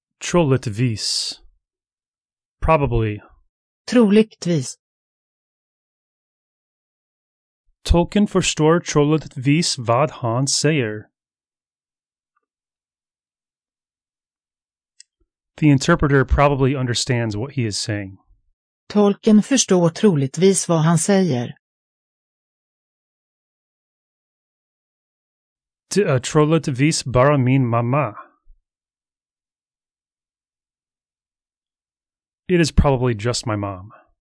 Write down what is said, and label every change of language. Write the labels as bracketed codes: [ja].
[sv] Troligtvis. [en] Probably. [sv] Troligtvis. Tolken förstår troligtvis vad han säger. [en] The interpreter probably understands what he is saying. [sv] Tolken förstår troligtvis vad han säger. Det är troligtvis bara min mamma. [en] It is probably just my mom.